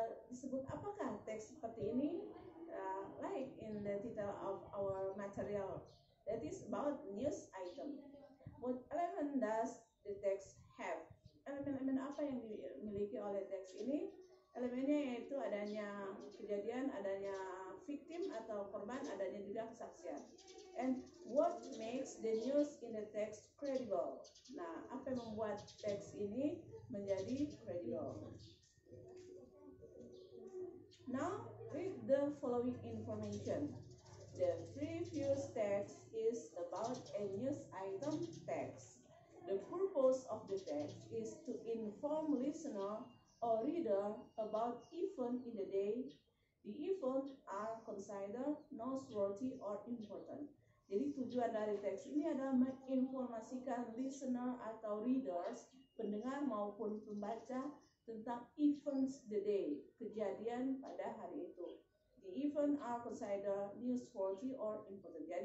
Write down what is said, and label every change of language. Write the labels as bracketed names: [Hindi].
[Indonesian] Disebut apakah teks seperti ini? [English] Like in the title of our material, that is about news item. What element does the text have? [Indonesian] Elemen-elemen apa yang dimiliki oleh teks ini? Elemennya yaitu adanya kejadian, adanya victim atau korban, adanya juga kesaksian. [English] And what makes the news in the text credible? [Indonesian] Nah, apa yang membuat teks ini menjadi credible? [English] Now, read the following information. The previous text is about a news item text. The purpose of the text is to inform listener or reader about event in the day. The event are considered noteworthy or important. [Indonesian] Jadi tujuan dari teks ini adalah menginformasikan listener atau readers, pendengar maupun pembaca, tentang [English] events the day, [Indonesian] kejadian pada hari itu. [English] The event are considered newsworthy or important.